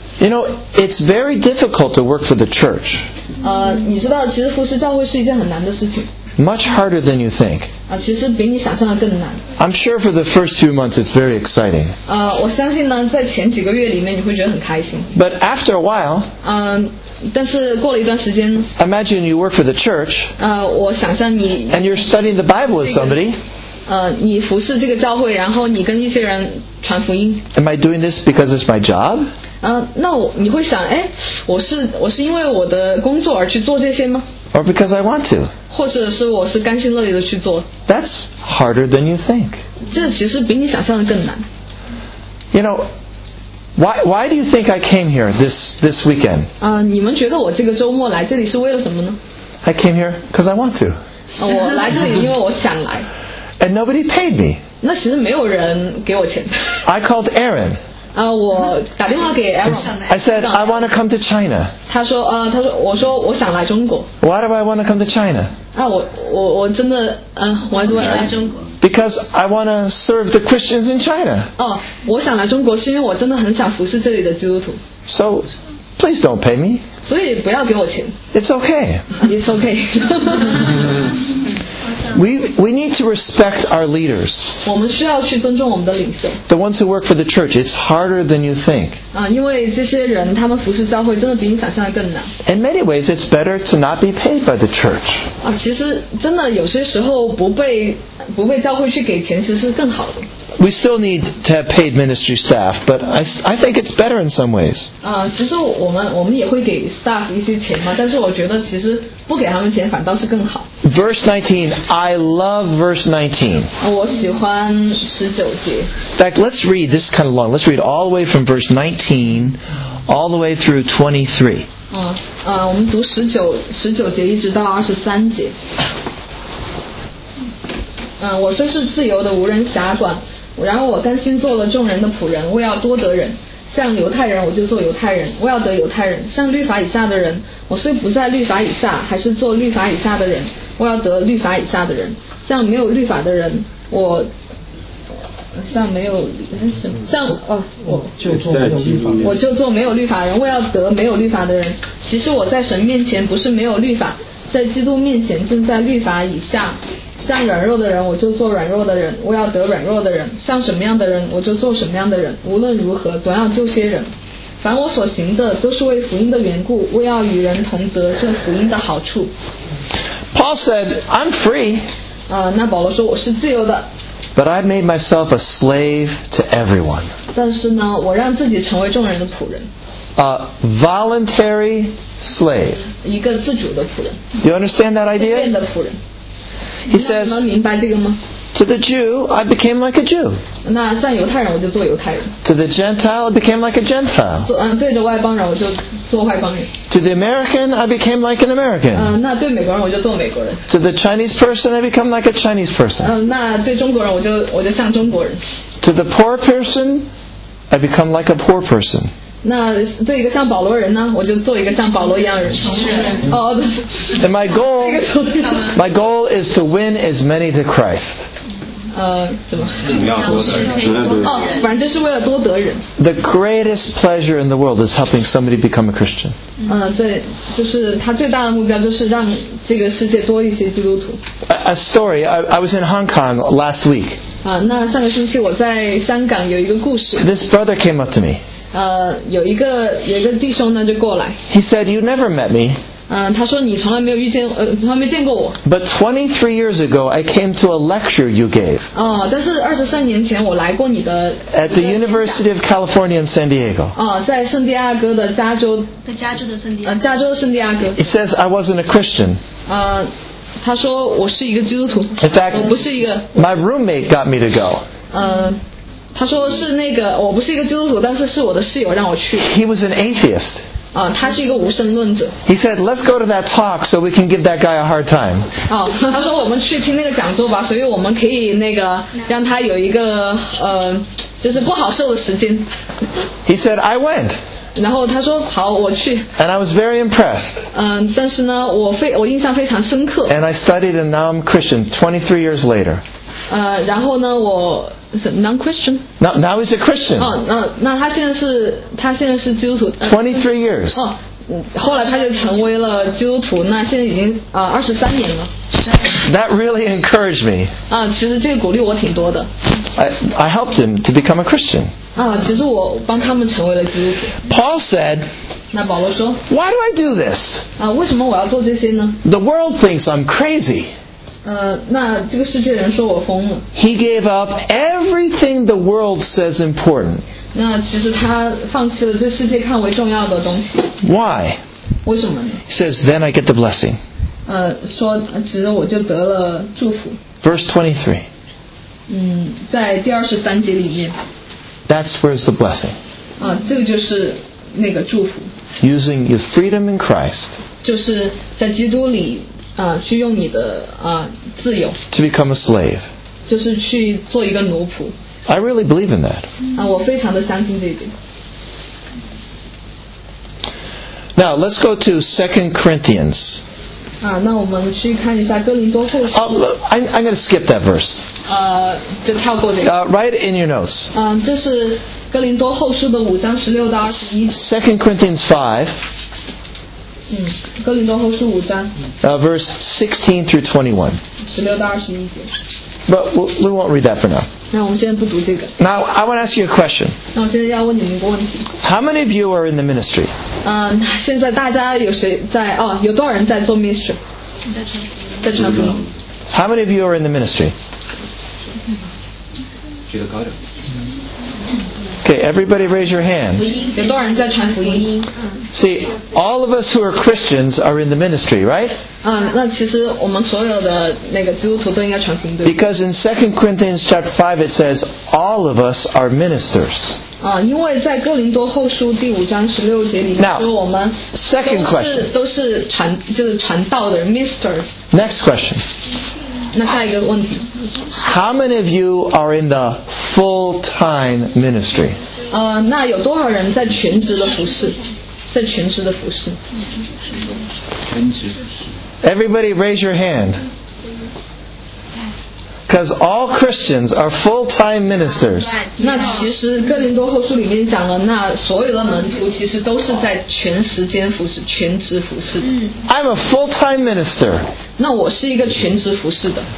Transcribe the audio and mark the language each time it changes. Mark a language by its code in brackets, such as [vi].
[en] You know, it's very difficult to work for the church. [zh] 你知道，其实服侍教会是一件很难的事情。 [en] Much harder than you think. [zh] 其实比你想象的更难。 [en] I'm sure for the first few months it's very exciting. [zh] 我相信呢，在前几个月里面你会觉得很开心。 [en] But after a while. [zh] 但是过了一段时间。 [en] Imagine you work for the church. [zh] 我想象你。 [en] And you're studying the Bible with somebody. [zh] 你服侍这个教会，然后你跟一些人传福音。 [en] Am I doing this because it's my job? [zh] 那你会想，哎，我是因为我的工作而去做这些吗？ [en] Or because I want to. [zh] 或者是我是甘心乐意的去做。 [en] That's harder than you think. [zh] 这其实比你想象的更难。 [en] You know, why do you think I came here this weekend? [zh] 你们觉得我这个周末来这里是为了什么呢？ [en] I came here because I want to. [zh] 我来这里因为我想来。 [en] And nobody paid me. [zh] 那其实没有人给我钱。 [en] I called Aaron. [zh] 我打电话给 Aaron. [en] I said I want to come to China. [zh] 他说我说我想来中国。 [en] Why do I want to come to China? [zh] 我真的 [en] why do I want to come to China? Because I want to serve the Christians in China. [zh] 我想来中国是因为我真的很想服侍这里的基督徒。 [en] So please don't pay me. [zh] 所以不要给我钱。 [en] It's okay. It's okay. We need to respect our leaders. [zh] 我们需要去尊重我们的领袖。 [en] The ones who work for the church, it's harder than you think. [zh] 因为这些人他们服侍教会真的比你想象的更难。 [en] In many ways, it's better to not be paid by the church. [zh] 其实真的有些时候不被教会去给钱其实是更好的。 [en] We still need to have paid ministry staff, but I think it's better in some ways. [zh] 其实我们也会给 staff 一些钱嘛，但是我觉得其实不给他们钱反倒是更好。 [en] Verse 19, I love verse 19. [zh] 我喜欢十九节。 [en] In fact, let's read, this is kind of long, let's read all the way from verse 19 all the way through 23. [zh] 我们读十九节一直到二十三节。我虽是自由的，无人辖管，然而我甘心做了众人的仆人，我要多得人。像犹太人我就做犹太人，我要得犹太人。像律法以下的人，我虽不在律法以下，还是做律法以下的人，我要得律法以下的人。像没有律法的人，我像没有像我就做没有律法的人，我要得没有律法的人。其实我在神面前不是没有律法，在基督面前正在律法以下。像软弱的人我就做软弱的人，我要得软弱的人。像什么样的人我就做什么样的人，无论如何总要救些人。凡我所行的都是为福音的缘故，我要与人同得这福音的好处。 [en] Paul said I'm free. [zh] 那保罗说我是自由的。 [en] But I've made myself a slave to everyone. [zh] 但是呢，我让自己成为众人的仆人。 [en] A voluntary slave. [zh] 一个自主的仆人。 [en] Do you understand that idea? [zh] 自愿的仆人。 [en] He says, to the Jew, I became like a Jew. [zh] 那像犹太人，我就做犹太人。 [en] To the Gentile, I became like a Gentile. [zh] 对着外邦人，我就做外邦人。 [en] To the American, I became like an American. [zh] 那对美国人，我就做美国人。 [en] To the Chinese person, I become like a Chinese person. [zh] 那对中国人，我就像中国人。 [en] To the poor person, I become like a poor person. [zh] 那对一个像保罗人呢，我就做一个像保罗一样的人。 [en] And my goal is to win as many to Christ. [zh] 反正就是为了多得人。 [en] The greatest pleasure in the world is helping somebody become a Christian. [zh] 对，就是他最大的目标就是让这个世界多一些基督徒。 [en] A story. I was in Hong Kong last week. [zh] 那上个星期我在香港有一个故事。 [en] This brother came up to me. [zh] 有一个弟兄呢就过来。 [en] He said, "You never met me." [zh] 他说你从来没有遇见，从来没见过我。 [en] But 23 years ago, I came to a lecture you gave. [zh] 哦，但是23年前我来过你的。 [en] At the University of California in San Diego. [zh] 哦，在圣地亚哥的加州。加州的圣地亚哥。加州的圣地亚哥。 [en] He says I wasn't a Christian. [zh] 他说我是一个基督徒。 [en] In fact, [zh] 我不是一个。 [en] My roommate got me to go. [zh] 他说是那个我不是一个基督徒，但是是我的室友让我去。 [en] He was an atheist. [zh] 他是一个无神论者。 [en] He said, "Let's go to that talk so we can give that guy a hard time." [zh] 他说我们去听那个讲座吧，所以我们可以那个让他有一个就是不好受的时间。 [en] He said, "I went." [zh] 然后他说好，我去。 [en] And I was very impressed. [zh] 但是呢，我印象非常深刻。 [en] And I studied, and now I'm Christian. 23 years later. [zh] 然后呢，我。 [en] Non-Christian. Now he's a Christian. [zh] 那他现在是基督徒。 [en] 23 years. [zh] 后来他就成为了基督徒。那现在已经23年了。 [en] That really encouraged me. [zh] 其实这个鼓励我挺多的。 [en] I helped him to become a Christian. [zh] 其实我帮他们成为了基督徒。 [en] Paul said. [zh] 那保罗说。 [en] Why do I do this? [zh] 为什么我要做这些呢？ [en] The world thinks I'm crazy. [zh] 那这个世界人说我疯了。 [en] He gave up everything the world says important. [zh] 那其实他放弃了这世界看为重要的东西。 [en] Why? [zh] 为什么呢？ [en] He says, then I get the blessing. [zh] 说其实我就得了祝福。 [en] Verse 23. [zh] 在第23节里面。 [en] That's where's the blessing. [zh] 这个就是那个祝福。 [en] Using your freedom in Christ. [zh] 就是在基督里。去用你的自由 [en] to become a slave [zh] 就是去做一个奴仆。 [en] I really believe in that. [zh] 我非常的相信这一点。 [en] Now let's go to 2 Corinthians. [zh] 那我们去看一下哥林多后书。 [en] I'm going to skip that verse. [zh] 就跳过这个。 [en] Write it in your notes. [zh] 这是哥林多后书的五章十六到二十一。 [en] 2 Corinthians 5. [zh] 哥林多后书五章。 [en] Verse 16 through 21. [zh] 十六到二十一节。 [en] But we won't read that for now. [zh] 那我们现在不读这个。 [en] Now I want to ask you a question. [zh] 那我现在要问你们一个问题。 [en] How many of you are in the ministry? [zh] 现在大家有谁在？有多少人在做 ministry? 在传福音。 [en] How many of you are in the ministry? [zh] 举个高点。 [en] Okay, everybody raise your hand. [zh] 有多少人在传福音？ [en] See, all of us who are Christians are in the ministry, right? [zh] 那其实我们所有的那个基督徒都应该传福音，对吗？ [en] Because in 2 Corinthians chapter 5 it says, all of us are ministers. [zh] 因为在哥林多后书第五章十六节里面， [en] Now, [zh] 我们 [en] second question. [zh] 都是传，就是传道的 ministers. [en] Next question. [zh] 那下一个问题。 [en] How many of you are in the full-time ministry? [zh] 那有多少人在全职的服事？在全职的服事。 [en] Everybody raise your hand. Because all Christians are full-time ministers. [zh] 那其实哥林多后书里面讲了，那所有的门徒其实都是在全时间服事，全职服事。 [en] I'm a full-time minister. [zh] 那我是一个全职服事的。